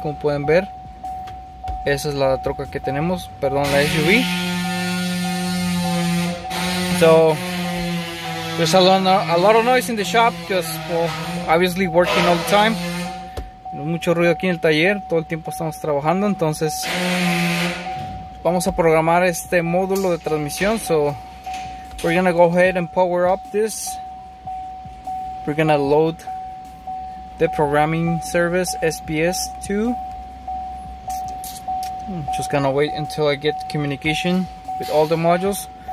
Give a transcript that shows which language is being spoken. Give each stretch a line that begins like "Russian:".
Spanish: Como pueden ver, esa es la troca que tenemos, perdón, la SUV.
English: So there's a lot of noise in the shop because, well, obviously working all the time.
Spanish: Mucho ruido aquí en el taller, todo el tiempo estamos trabajando. Entonces vamos a programar este módulo de transmisión.
English: So we're gonna go ahead and power up this. We're gonna load the programming service SPS2. I'm just gonna wait until I get communication with all the modules.